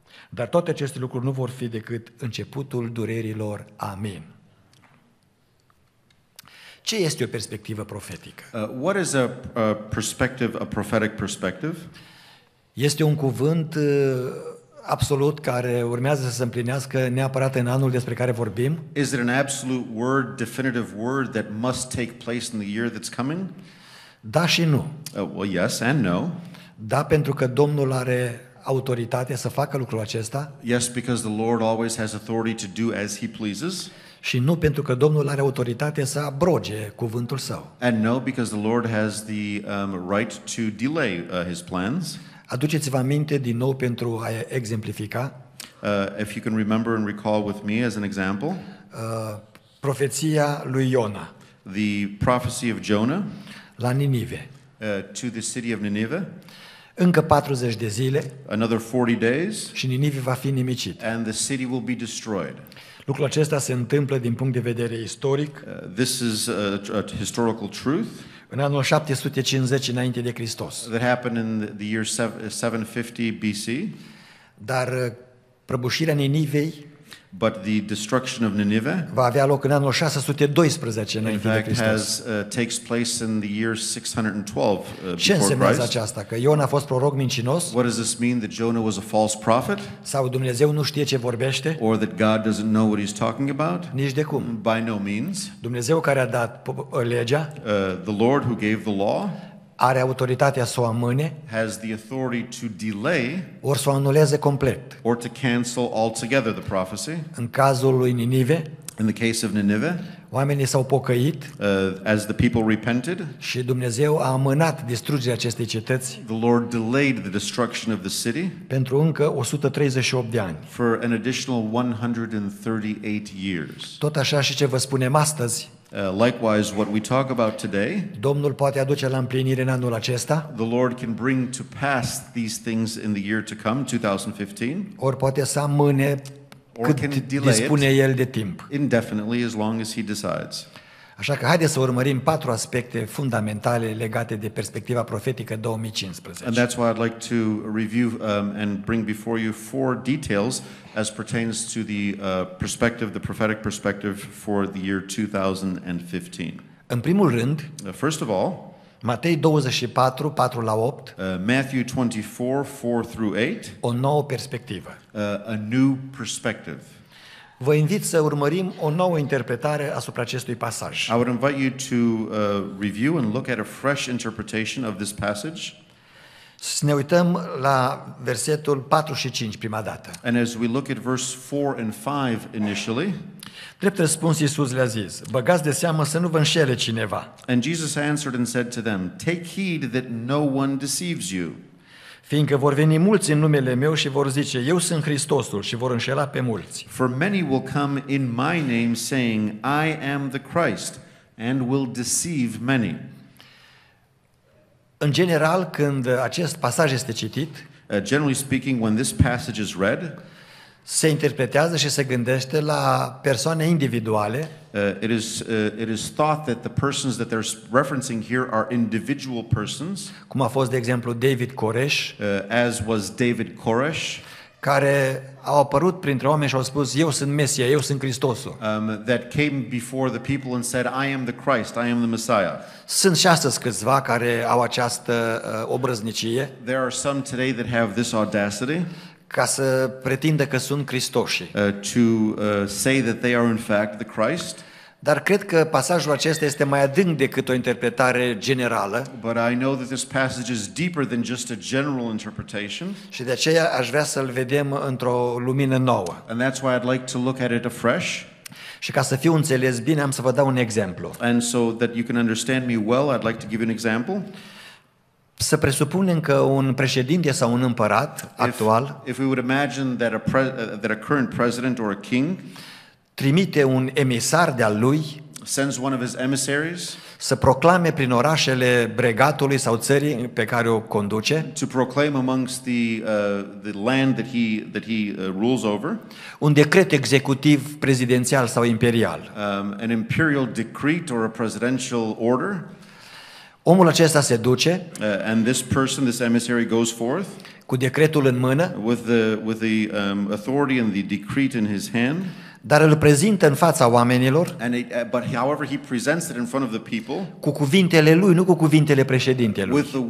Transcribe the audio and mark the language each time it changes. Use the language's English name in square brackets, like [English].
[Romanian] Dar toate aceste lucruri nu vor fi decât începutul durerilor. Amin. Ce este o perspectivă profetică? [English] What is a perspective, a prophetic perspective? [Romanian] Este un cuvânt absolut care urmează să se împlinească neapărat în anul despre care vorbim. [English] Is it an absolute word, definitive word that must take place in the year that's coming? [Romanian] Da și nu. [English] Well, yes and no. [Romanian] Da, pentru că Domnul are autoritate să facă lucrul acesta. [English] Yes, because the Lord always has authority to do as he pleases. [Romanian] Și nu pentru că Domnul are autoritatea să abroge cuvântul său. [English] And no, because the Lord has the right to delay his plans. [Romanian] Aduceți-vă aminte din nou pentru a exemplifica. [English] If you can remember and recall with me as an example. [Romanian] Profeția lui Iona. [English] The prophecy of Jonah. [Romanian] La Ninive. [English] To the city of Nineveh. [Romanian] Încă 40 de zile. [English] Another 40 days. [Romanian] Și Ninive va fi nimicit. [English] And the city will be destroyed. [Romanian] Lucrul acesta se întâmplă din punct de vedere istoric. [English] This is a historical truth. [Romanian] În anul 750 înainte de Hristos. [English] That happened in the year 750 BC. [Romanian] Dar Prăbușirea Ninivei, [English] but the destruction of Nineveh, [Romanian] va avea loc în anul 612 înainte de Hristos. [English] In fact, takes place in the year 612 before [Romanian] Christ. Ce înseamnă aceasta? Că Ion a fost proroc mincinos? [English] What does this mean, that Jonah was a false prophet? [Romanian] Sau Dumnezeu nu știe ce vorbește? [English] Or that God doesn't know what he's talking about? [Romanian] Nici de cum. [English] By no means. [Romanian] Dumnezeu care a dat legea, [English] the Lord who gave the law, [Romanian] are autoritatea să o amâne, [English] has the authority to delay, [Romanian] or să o anuleze complet, [English] or to cancel altogether the prophecy. [Romanian] În cazul lui Ninive, [English] in the case of Nineveh, [Romanian] oamenii s-au pocăit, [English] as the people repented, [Romanian] și Dumnezeu a amânat distrugerea acestei cetăți, [English] the Lord delayed the destruction of the city, [Romanian] pentru încă 138 de ani, [English] for an additional 138 years. [Romanian] Tot așa și ce vă spunem astăzi, [English] Likewise, what we talk about today, [Romanian] Domnul poate aduce la împlinire în anul acesta, [English] the Lord can bring to pass these things in the year to come, 2015, [Romanian] or poate să amâne cât dispune el de timp, [English] indefinitely, as long as he decides. [Romanian] Așa că haideți să urmărim patru aspecte fundamentale legate de perspectiva profetică 2015. [English] And that's why I'd like to review and bring before you four details as pertains to the perspective, the prophetic perspective for the year 2015. [Romanian] În primul rând, [English] first of all, [Romanian] Matei 24, 4 la 8, [English] Matthew 24, 4 through 8, [Romanian] o nouă perspectivă. [English] A new perspective. [Romanian] Vă invit să urmărim o nouă interpretare asupra acestui pasaj. [English] I would invite you to review and look at a fresh interpretation of this passage. [Romanian] Să ne uităm la versetul 4 și 5 prima dată. [English] And as we look at verse 4 and 5 initially, [Romanian] drept răspuns Iisus le-a zis: băgați de seamă să nu vă înșele cineva. [English] And Jesus answered and said to them, take heed that no one deceives you. [Romanian] Fiindcă vor veni mulți în numele meu și vor zice, eu sunt Hristosul, și vor înșela pe mulți. [English] For many will come in my name saying, I am the Christ, and will deceive many. [Romanian] În general, când acest pasaj este citit, [English] generally speaking, when this passage is read, [Romanian] se interpretează și se gândește la persoane individuale. [English] It is thought that the persons that they're referencing here are individual persons. [Romanian] Cum a fost, de exemplu, David Koresh, [English] as was David Koresh, [Romanian] care au apărut printre oameni și au spus, eu sunt Mesia, eu sunt Hristosul. [English] That came before the people and said, I am the Christ, I am the Messiah. [Romanian] Sunt și astăzi câțiva care au această obrăznicie. [English] There are some today that have this audacity, [Romanian] ca să pretindă că sunt Hristoși. [English] To say that they are in fact the Christ. [Romanian] Dar cred că pasajul acesta este mai adânc decât o interpretare generală. [English] But I know that this passage is deeper than just a general interpretation. [Romanian] Și de aceea aș vrea să-l vedem într-o lumină nouă. [English] And that's why I'd like to look at it afresh. [Romanian] Și ca să fiu înțeles bine, am să vă dau un exemplu. [English] And so that you can understand me well, I'd like to give you an example. [Romanian] Să presupunem că un președinte sau un împărat actual, [English] if we would imagine that a current president or a king, [Romanian] trimite un emisar de-al lui, [English] sends one of his emissaries, [Romanian] să proclame prin orașele bregatului sau țării pe care o conduce, [English] to proclaim amongst the land that he rules over, [Romanian] un decret executiv prezidențial sau imperial, [English] an imperial decree or a presidential order. [Romanian] Omul acesta se duce, [English] And this person, this emissary goes forth, [Romanian] cu decretul în mână, [English] with the authority and the decree in his hand, [Romanian] dar îl prezintă în fața oamenilor, [English] however he presents it in front of the people, [Romanian] cu cuvintele lui, nu cu cuvintele președintelui.